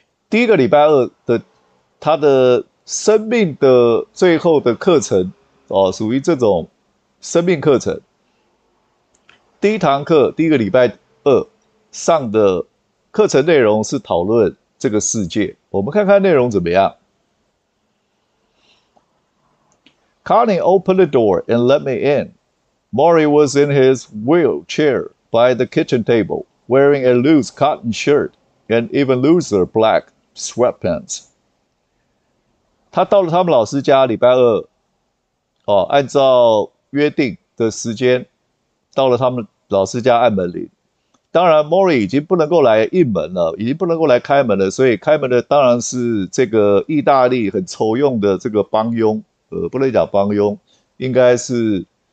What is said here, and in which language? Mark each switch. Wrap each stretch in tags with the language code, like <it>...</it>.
<zh>第一个礼拜二的他的生命的最后的课程，哦，属于这种生命课程。第一堂课，第一个礼拜二上的课程内容是讨论这个世界。我们看看内容怎么样。</zh> <en>Connie opened the door and let me in. Morrie was in his wheelchair by the kitchen table, wearing a loose cotton shirt and even looser black sweatpants.</en> <zh>他到了他们老师家，礼拜二，哦，按照约定的时间到了他们。老师家按门铃，当然 Morrie 已经不能够来应门了，已经不能够来开门了，所以开门的当然是这个意大利很愁用的这个帮佣，不能讲帮佣，应该是</zh>